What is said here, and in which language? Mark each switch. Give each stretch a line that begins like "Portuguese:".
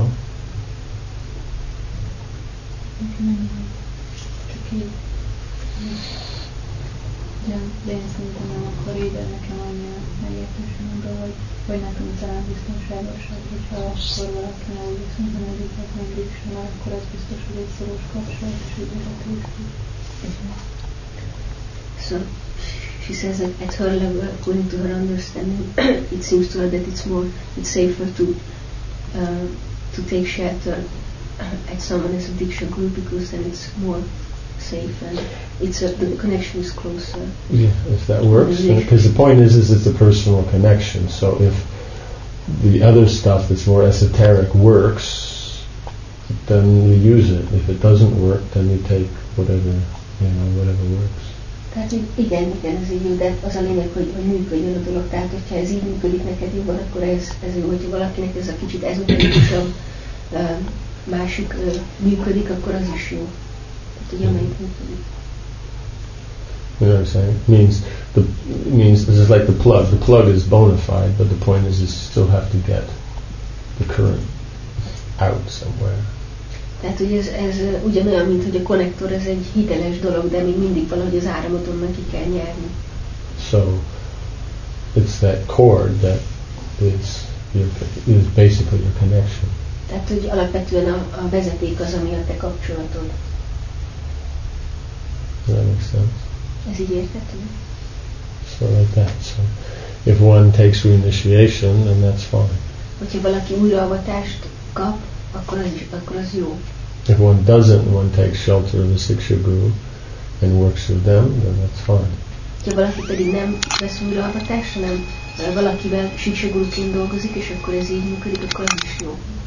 English: Okay. Yeah, there's something I'm afraid that I can't hear. I have to
Hungarian: hogy nekünk talán biztonságosabb, hogyha akkor valaki nem viszont a negyiket nem végsem, mert akkor az biztos, hogy egy szoros kapcsolat, és így a tűzsgő.
English: So, she says that at her level, according to her understanding, it seems to her that it's safer to take shelter at someone's addiction group because then it's more safe and the connection is closer. Yeah, if that works. Because the point is it's a personal connection. So if the other stuff that's more esoteric works, then you use it. If it doesn't work, then you take whatever, you know, whatever works.
Hungarian: Tehát, hogy igen, ez így jó, de az a lényeg, hogy működjön a dolog. Tehát, hogyha ez így működik neked jobban, akkor ez jó. Hogyha valakinek ez a kicsit ezoterikusabb másik működik, akkor az is jó. Tehát, hogy amelyik működik.
English: You know what I'm saying? It means this is like the plug. The plug is bona fide, but the point is you still have to get the current out somewhere.
Hungarian: Tehát, hogy ez ugyanolyan, mint hogy a konnektor, ez egy hiteles dolog, de még mindig valahogy az áramot onnan ki kell nyerni.
English: So, it's that cord that is basically your connection.
Hungarian: Tehát, hogy alapvetően a vezeték az, ami a te kapcsolatod.
English: Does that make sense?
Hungarian: Ez így érthető?
English: So, like that. So, if one takes reinitiation, then that's fine.
Hungarian: Hogyha valaki újraavatást kap, akkor az jó.
English: If one doesn't, one takes shelter of the Siksha Guru and works with them, then that's fine.
Hungarian: Ha valaki pedig nem vesz újraavatást, hanem valakivel Siksha Guruként dolgozik, és akkor ez így működik, akkor az is jó.